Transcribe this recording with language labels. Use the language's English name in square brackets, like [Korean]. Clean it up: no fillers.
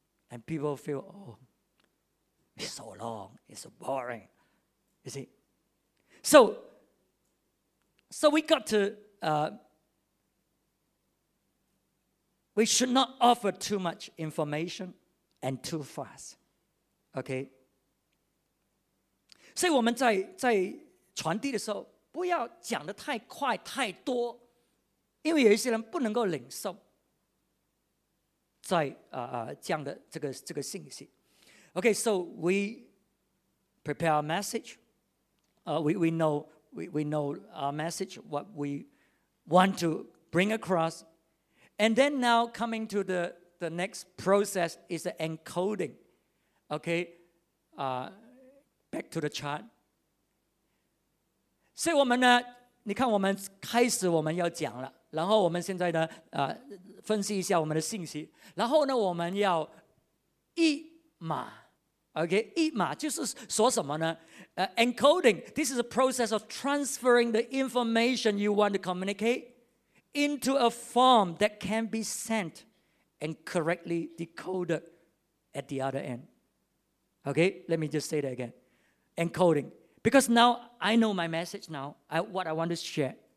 [English] And people feel, oh, it's so long, it's so boring. You see? So we got to, we should not offer too much information and too fast. Okay? [Chinese] 所以我们在传递的时候，不要讲得太快太多，因为有一些人不能够领受在这样的这个信息。 [English] Okay, so we prepare our message. We know our message, what we want to bring across. And then now coming to the next process is the encoding. Okay, back to the chart. [Chinese] 所以我们呢，你看我们开始我们要讲了，然后我们现在呢，分析一下我们的信息，然后呢，我们要译码 ，OK， 译码就是说什么呢？ [English] encoding. This is a process of transferring the information you want to communicate into a form that can be sent and correctly decoded at the other end. Okay, let me just say that again. Encoding. Because now I know my message now, what I want to share.